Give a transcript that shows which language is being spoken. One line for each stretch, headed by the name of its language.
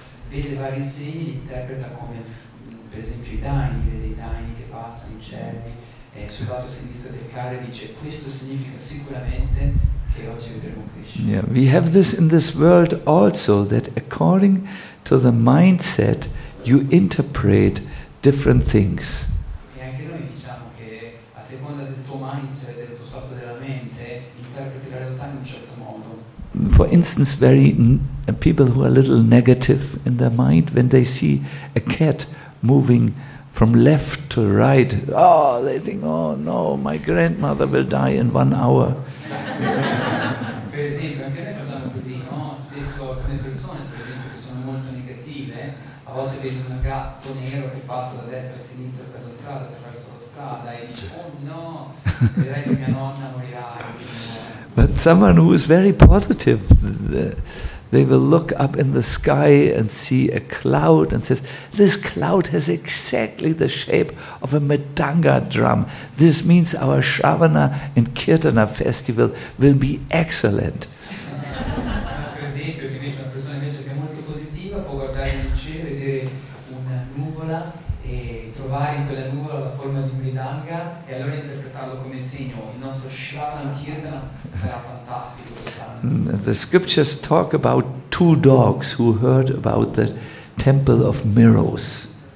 Italian: Vede vari segni, interpreta come per esempio i dani, vede i dani che passano, i cervi, e sul lato sinistro del carro dice questo significa sicuramente che oggi vedremo Krishna.
English: Yeah, we have this in this world also, that according to the mindset you interpret different things.
Italian: E anche noi diciamo che a seconda del tuo mindset, del tuo stato della mente, interpreti la realtà in un certo modo.
English: For instance, very people who are a little negative in their mind, when they see a cat moving from left to right, oh, they think, oh no, my grandmother will die in 1 hour.
Italian: Per esempio, anche noi facciamo così, no? Spesso alcune persone, per esempio, che sono molto negative, a volte vedono un gatto nero che passa da destra a sinistra per la strada, attraverso la strada, e dice, oh no, vedrai che mia nonna morirà.
English: But someone who is very positive, they will look up in the sky and see a cloud and says, this cloud has exactly the shape of a Madanga drum. This means our Shravana and Kirtana festival will be excellent.
Italian: Per esempio, una persona invece che è molto positiva può guardare in cielo e vedere una nuvola e trovare in quella nuvola la forma di Madanga e allora interpretarlo come segno. Il nostro Shravana and Kirtana sarà fantastico.
English: The scriptures talk about two dogs who heard about the temple of mirrors.